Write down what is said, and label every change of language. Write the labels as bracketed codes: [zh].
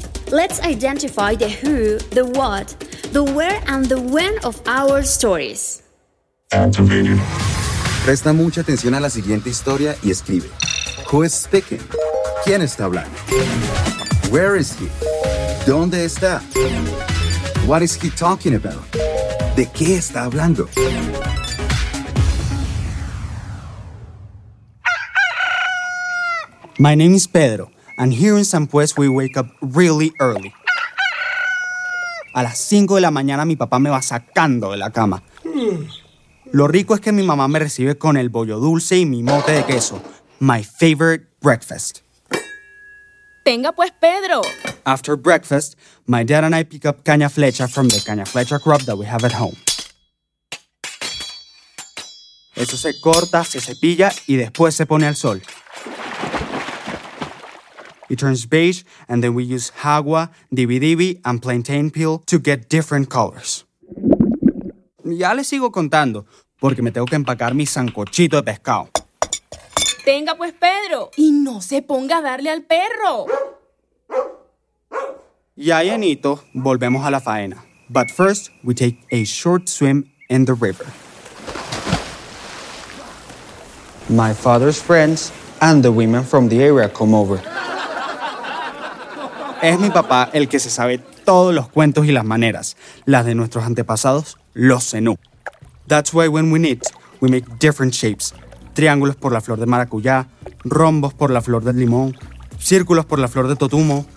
[en] Let's identify the who, the what, the where and the when of our stories. [es] Presta mucha atención a la siguiente historia y escribe. [en] Who is speaking? [es] ¿Quién está hablando? [en] Where is he? [es] ¿Dónde está? [en] What is he talking about? [es] ¿De qué está hablando? [en] My name is Pedro. And here in San Pues, we wake up really early. [es] A las 5 de la mañana, mi papá me va sacando de la cama. Lo rico es que mi mamá me recibe con el bollo dulce y mi mote de queso. [en] My favorite breakfast. [es] Tenga pues, Pedro. [en] After breakfast, my dad and I pick up caña flecha from the caña flecha crop that we have at home. [es] Eso se corta, se cepilla y después se pone al sol. [en] It turns beige, and then we use agua, dibidibi, and plantain peel to get different colors. [es] Ya les sigo contando, porque me tengo que empacar mi sancochito de pescado. Tenga pues, Pedro. Y no se ponga a darle al perro. Ya llenito, volvemos a la faena. [en] But first, we take a short swim in the river. My father's friends and the women from the area come over. [es] Es mi papá el que se sabe todos los cuentos y las maneras, las de nuestros antepasados, los Zenú. [en] That's why when we knit, we make different shapes. [es] Triángulos por la flor de maracuyá, rombos por la flor del limón, círculos por la flor de totumo.